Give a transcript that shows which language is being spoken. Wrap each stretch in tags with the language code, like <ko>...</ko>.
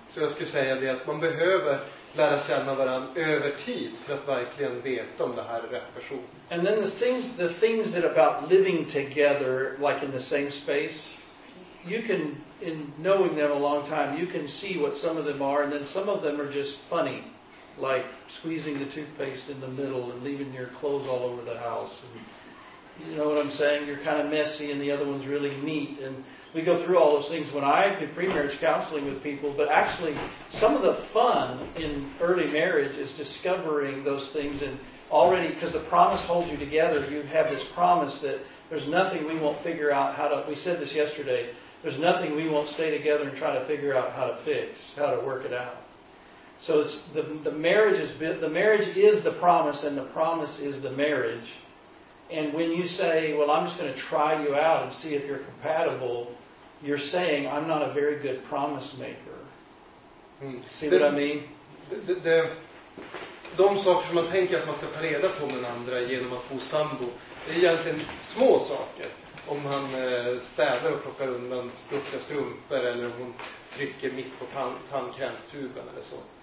<sv>Så jag skulle säga det att man behöver lära känna varandra över tid för att verkligen veta om det här är rätt person.</sv> <en>And then the things that about living together, like in the same space, you can, in knowing them a long time, you can see what some of them are, and then some of them are just funny. Like squeezing the toothpaste in the middle and leaving your clothes all over the house. And you know what I'm saying? You're kind of messy and the other one's really neat. And we go through all those things when I do pre-marriage counseling with people. But actually, some of the fun in early marriage is discovering those things. And already, because the promise holds you together, you have this promise that there's nothing we won't figure out how to... We said this yesterday. There's nothing we won't stay together and try to figure out how to fix, how to work it out. So it's the marriage is the promise, and the promise is the marriage. And when you say, well, I'm just going to try you out and see if you're compatible, you're saying, I'm not a very good promise maker. See what I mean?</en> <sv>De saker som man tänker att man ska ta reda på med andra genom att bo sambo, det är egentligen små saker. om han städar och plockar undan studsiga strumpor eller om hon trycker mitt på tandkrämstuben eller så.</sv>